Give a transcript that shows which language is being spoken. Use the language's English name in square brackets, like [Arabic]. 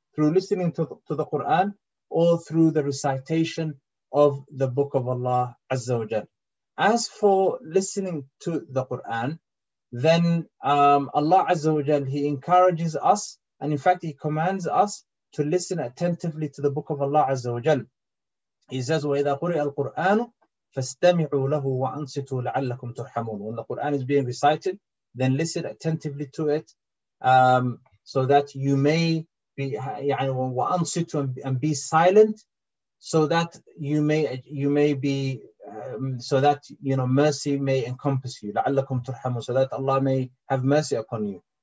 [English] Through listening to the Quran or through the recitation of the book of Allah Azza wa Jal. As for listening to the Quran, then Allah Azza wa Jal, he encourages us, and in fact, he commands us to listen attentively to the book of Allah Azza wa Jal. He says, [Arabic] وَإِذَا قُرِئَ الْقُرْآنُ فَاسْتَمِعُوا لَهُ وَأَنصِتُوا لَعَلَّكُمْ تُرْحَمُونَ. [English] When the Quran is being recited, then listen attentively to it so that you may be, [Arabic] وَأَنصِتُوا, [English] and be silent so that you may be, so that mercy may encompass you, [Arabic] لَعَلَّكُمْ تُرْحَمُونَ, [English] so that Allah may have mercy upon you.